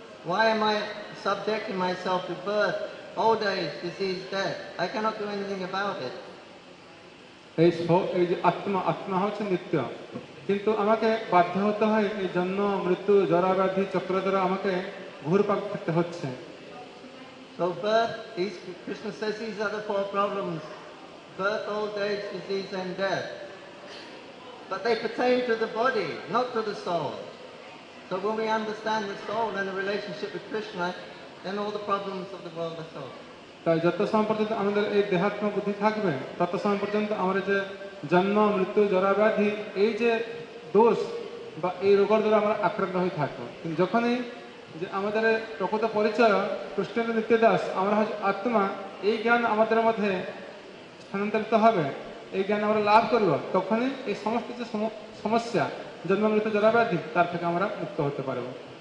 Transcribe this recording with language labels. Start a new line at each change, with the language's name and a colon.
English: Why am I subjecting myself to birth, old age, disease, death? I cannot do anything about it.
Bangla: এই আত্মা আত্মা হচ্ছে নিত্য কিন্তু আমাকে বাধ্য হতে হয় এই জন্ম মৃত্যু জরাব্যাধি চক্র দ্বারা আমাকে ঘুরপাক খেতে হচ্ছে।
English: So birth, these, Krishna says these are the four problems, birth, old age, disease and death. But they pertain to the body, not to the soul. So when we understand the soul and the relationship with Krishna, then all the problems of the world are solved.
Bangla: তাই যত সময় পর্যন্ত আমাদের এই দেহাত্ম বুদ্ধি থাকবে তত সময় পর্যন্ত আমার যে জন্ম মৃত্যু জরাব্যাধি এই যে দোষ বা এই রোগের দ্বারা আমরা আক্রান্ত হয়ে থাকবো। কিন্তু যখনই যে আমাদের প্রকৃত পরিচয় কৃষ্ণ নিত্য দাস আমরা হচ্ছে আত্মা, এই জ্ঞান আমাদের মধ্যে স্থানান্তরিত হবে, এই জ্ঞান আমরা লাভ করব, তখনই এই সমস্ত যে সমস্যা জন্ম মৃত্যু জরাব্যাধি তার থেকে আমরা মুক্ত হতে পারবো।